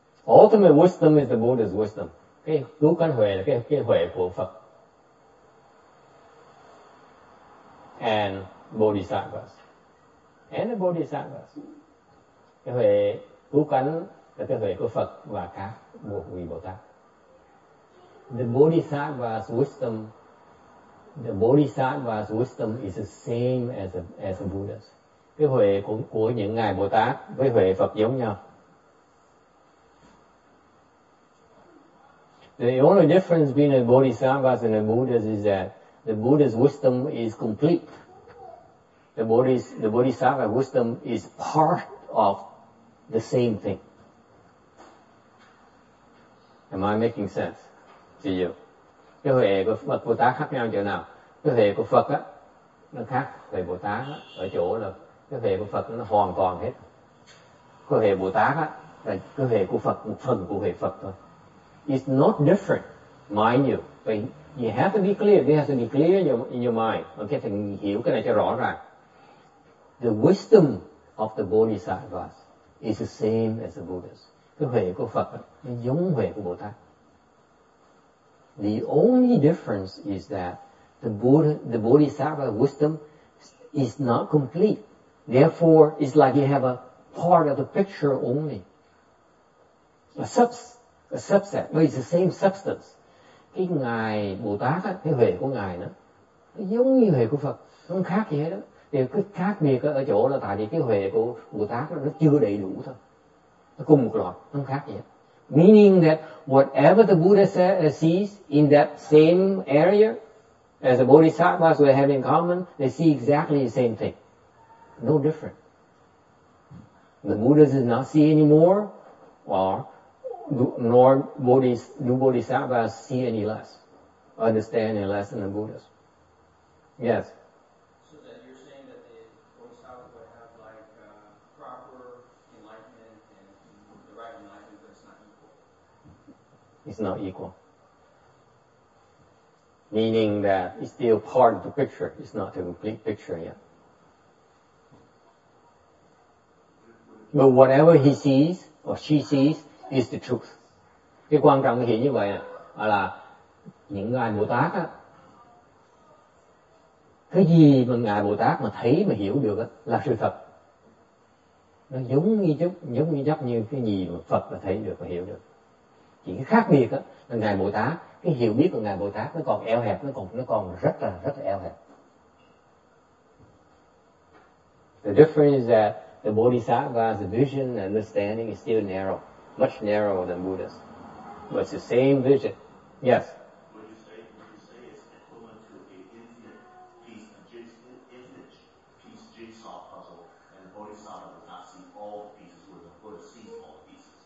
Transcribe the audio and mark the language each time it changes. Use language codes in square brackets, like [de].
[en] Ultimate wisdom is the Buddha's wisdom. [vi] Cái cứu cánh huệ là cái huệ của Phật. [en] And Bodhisattvas. And the Bodhisattvas. [vi] Cái huệ cứu cánh là cái huệ của Phật và các vị Bồ Tát. [en] The Bodhisattvas wisdom. The Bodhisattva's wisdom is the same as a Buddha's. [vi] Cái huệ của những ngài Bồ Tát với huệ Phật giống nhau. [en] The only difference between a Bodhisattva and a Buddha is that the Buddha's wisdom is complete. The Bodhisattva's wisdom is part of the same thing. Am I making sense to you? [vi] Cái huệ của Phật Bồ Tát khác nhau chỗ nào? cái thể của Phật á nó khác thể Bồ Tát ở chỗ là cái thể của Phật nó hoàn toàn hết. Cơ thể Bồ Tát á là cơ thể của Phật, một phần của thể Phật thôi. [en] It's not different, mind you. But you have to be clear, you have to be clear in your mind. [vi] Okay, thì hiểu cái này cho rõ ràng. [en] The wisdom of the Bodhisattvas is the same as the Buddha's. [vi] Cơ thể của Phật nó giống thể của Bồ Tát. [en] The only difference is that the Buddha, the Bodhisattva wisdom is not complete. Therefore, it's like you have a part of the picture only. A subset, but it's the same substance. [vi] Cái Ngài Bồ Tát á, cái huệ của Ngài nó giống như huệ của Phật, không khác gì hết đó. Điều cái khác biệt ở chỗ là tại vì cái huệ của Bồ Tát nó chưa đầy đủ thôi. Nó cùng một loại, không khác gì hết. [en] Meaning that whatever the Buddha sees in that same area as the Bodhisattvas we have in common, they see exactly the same thing. No different. The Buddha does not see anymore, or nor Bodhisattvas see any less, understand any less than the Buddha. Yes? So then you're saying that the Bodhisattva would have like proper enlightenment and the right enlightenment, but it's not equal? It's not equal. Meaning that it's still part of the picture, it's not the complete picture yet. But whatever he sees or she sees, is the truth. [vi] Cái quan trọng hiện như vậy là những Ngài Bồ Tát á, cái gì mà Ngài Bồ Tát mà thấy mà hiểu được á, là sự thật. Nó giống như chút, giống như chấp như cái gì mà Phật mà thấy được và hiểu được. Chỉ cái khác biệt á, là Ngài Bồ Tát, cái hiểu biết của Ngài Bồ Tát nó còn eo hẹp, nó còn rất là eo hẹp. [en] The difference is that the Bodhisattva's vision and understanding is still narrow. Much narrower than Buddha's. But it's the same vision. Yes? Would you say it's equivalent to the infinite piece jigsaw puzzle, and the Bodhisattva would not see all the pieces, where the Buddha sees all the pieces?